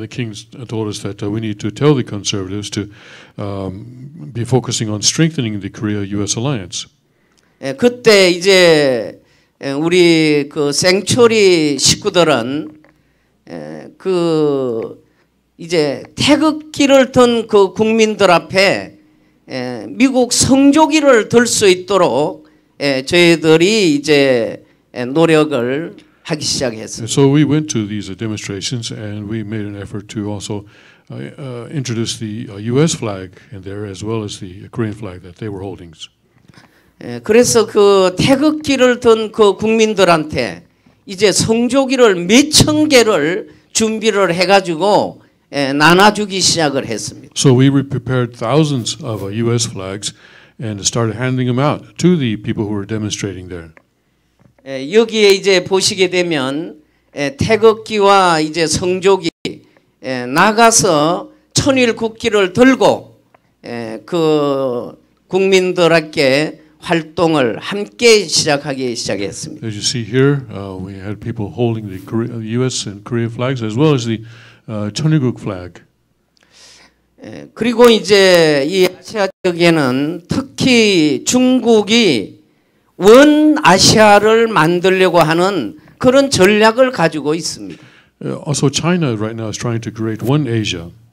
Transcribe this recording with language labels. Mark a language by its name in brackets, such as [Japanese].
[English] The king told us that we need to tell the conservatives to be focusing on strengthening the Korea-U.S. alliance. [Korean] 그때 이제 우리 그 생초리 식구들은 그 이제 태극기를 든 그 국민들 앞에 미국 성조기를 들 수 있도록 저희들이 이제 노력을 하기 시작했습니다. [English] So we went to these demonstrations and we made an effort to also introduce the U.S. flag in there as well as the Korean flag that they were holding. [Korean] 그래서 그 태극기를 든 그 국민들한테 이제 성조기를 몇 천 개를 준비를 해가지고 나눠주기 시작을 했습니다. [English] So we prepared thousands of U.S. flags and started handing them out to the people who were demonstrating there. [Korean] 여기에 이제 보시게 되면 태극기와 이제 성조기 나가서 천일 국기를 들고 그 국민들에게 활동을 함께 시작하기 시작했습니다. [English] As you see here, we had people holding the U.S. and Korea flags as well as the 천일국 flag. [Korean] 그리고 이제 이 아시아 지역에는 특히 중국이 원 아시아를 만들려고 하는 그런 전략을 가지고 있습니다. [English] Also, China right now is trying to create one Asia.